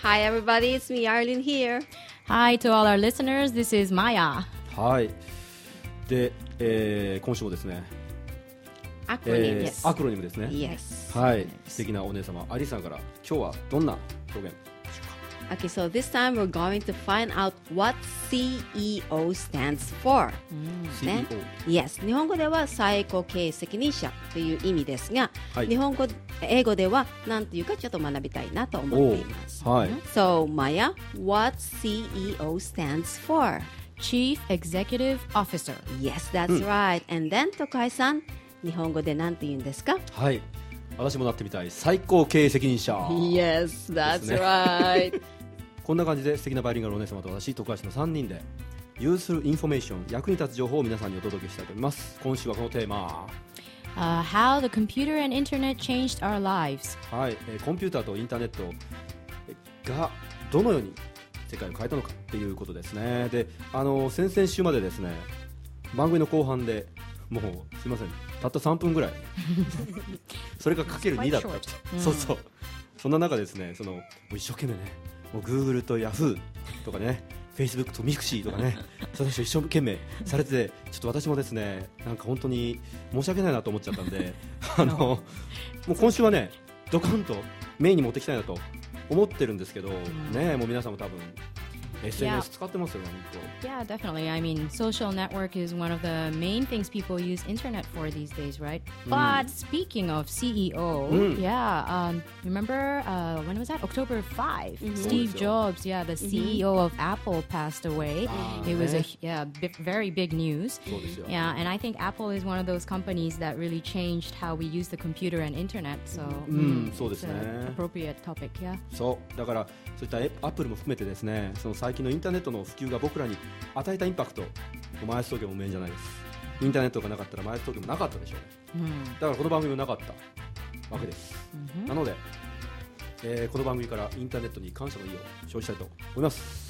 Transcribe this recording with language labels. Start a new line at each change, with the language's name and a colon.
English: Hi everybody, it's me Arlin here. Hi to all our listeners, this is Maya。
Japanese: はい、で、今週もですね、アクロニムですね。
English: Yes。
Japanese: はい、素敵なお姉様愛理さんから今日はどんな表現。
English: Okay, so this time we're going to find out what CEO stands for.、 Mm. CEO.
Japanese: Yes, 日本語では最高経営責任者という意味ですが、はい、日本語、英語では何というかちょっと学びたいなと思っています。はい、
English: so, Maya, what CEO stands for? Chief Executive Officer. Yes, that's、うん、right. And then, Tokai-san,
Japanese: 日本語で何て言うんですか? はい。私もなってみたい最高経営責任者、ね、
English: Yes, that's right.
Japanese: こんな感じで素敵なバイリンガルお姉様と私徳橋の3人で
English: Useful Information
Japanese: 役に立つ情報を皆さんにお届けしたいと思います。今週はこのテーマ、
English: How the computer and internet changed our lives、
Japanese: はい、コンピューターとインターネットがどのように世界を変えたのかということですね。で、先々週までですね、番組の後半でもうすいません、たった3分ぐらいそれがかける2だったって、うん、そうそう、そんな中ですね、そのもう一生懸命ね、もう Google と Yahoo とかね、 Facebook と Mixi とかね、それと一生懸命されてて、ちょっと私もですね、なんか本当に申し訳ないなと思っちゃったんでもう今週はね、ドカンとメインに持ってきたいなと思ってるんですけど、うん、ねえ、もう皆さんも多分SNS 使ってますよね、
English: Yeah, definitely. I mean, social network is one of the main things people use internet for these days, right? But、うん、speaking of CEO,、うん、yeah, remember、when was that? October 5,、うん、Steve Jobs, yeah, the CEO、うん、of Apple passed away.、
Japanese: ね、
English: It was a yeah, very big news.
Japanese: そうですよ。
English: Yeah, and I think Apple is one of those companies that really changed how we use the computer and internet. So,、
Japanese: うんうん、そうですね。
English: It's an appropriate topic, yeah.
Japanese: そう、だからそういった Apple も含めてですね、その最近のインターネットの普及が僕らに与えたインパクト、マイス東京も無縁じゃないです。インターネットがなかったらマイス東京もなかったでしょうね、うん、だからこの番組もなかったわけです、うん、なので、この番組からインターネットに感謝の意を表したいと思います。